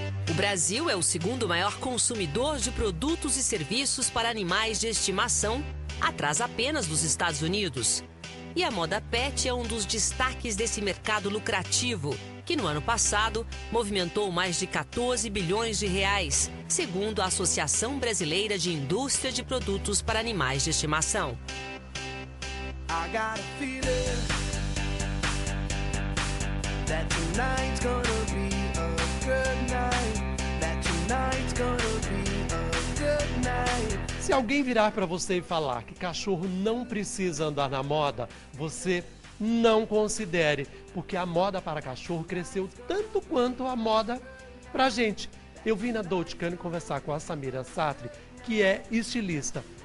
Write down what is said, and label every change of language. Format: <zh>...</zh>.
<pt>O Brasil é o segundo maior consumidor de produtos e serviços para animais de estimação, atrás apenas dos Estados Unidos. E a moda pet é um dos destaques desse mercado lucrativo, que no ano passado movimentou mais de 14 bilhões de reais, segundo a Associação Brasileira de Indústria de Produtos para Animais de Estimação.</pt> <en>I got a feeling that tonight's gonna be a good night. That tonight's gonna be a good night.</en> <pt>Se alguém virar pra você e falar que cachorro não precisa andar na moda, você não considere, porque a moda para cachorro cresceu tanto quanto a moda pra gente. Eu vim na Dolce & Gabbana conversar com a Samira Sartre, que é estilista.</pt>